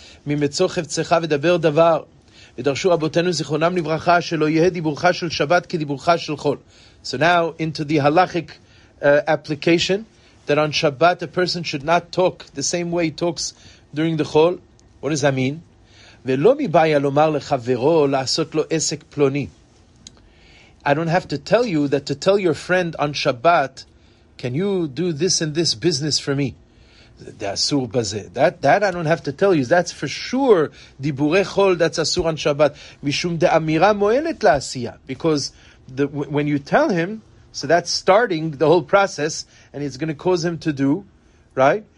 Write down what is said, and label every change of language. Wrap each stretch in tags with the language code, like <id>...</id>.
<he>ממצוחף צחה ודבר דבר ודרשו אבותינו זיכרונם לברכה שלא יהיה דיבורך של שבת כדיבורך של חול.</he> <en>So now into the halachic application that on Shabbat a person should not talk the same way he talks during the chol. What does that mean?</en> <he>ולא מבעיה לומר לחברו לעשות לו עסק פלוני.</he> <en>I don't have to tell you that to tell your friend on Shabbat, can you do this and this business for me? That I don't have to tell you. That's for sure. Dibure chol, that's asur on Shabbat.</en> <he>Mishum de amira moelet la'asiyah.</he> <en>Because when you tell him, so that's starting the whole process, and it's going to cause him to do, right?</en>